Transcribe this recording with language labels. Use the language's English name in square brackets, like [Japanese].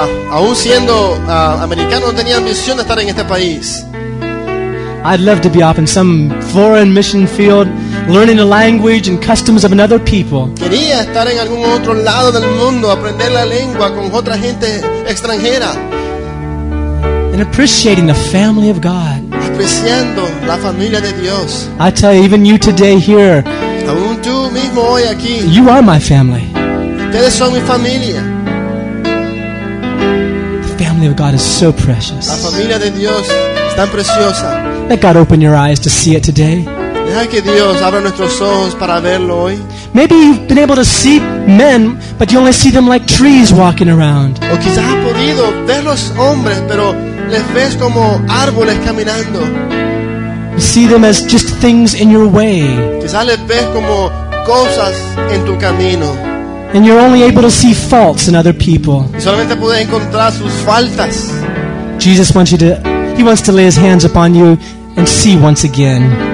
[Spanish] Aún siendo americano, no tenía ambición de estar en este país. [English] I'd love to be off in some foreign mission field, learning the language and customs of another people. [Spanish] Quería estar en algún otro lado del mundo, aprender la lengua con otra gente extranjera. [English] And appreciating the family of God. [Spanish] Apreciando la familia de Dios. [English] I tell you, even you today here, [Spanish] aún tú mismo hoy aquí, [English] you are my family. [Spanish] Ustedes son mi familia. [English] The family of God is so precious. [Spanish] La familia de Dios es tan preciosa. [English] Let God open your eyes to see it today. [Spanish] Deja que Dios abra nuestros ojos para verlo hoy. [English] Maybe you've been able to see men, but you only see them like trees walking around. [Spanish] O quizás has podido ver los hombres, pero les ves como árboles caminando. [English] You see them as just things in your way. [Spanish] Quizás les ves como cosas en tu camino. [English] And you're only able to see faults in other people. [Spanish] Y solamente puedes encontrar sus faltas. [English] Jesus wants you to. He wants to lay his hands upon you and see once again.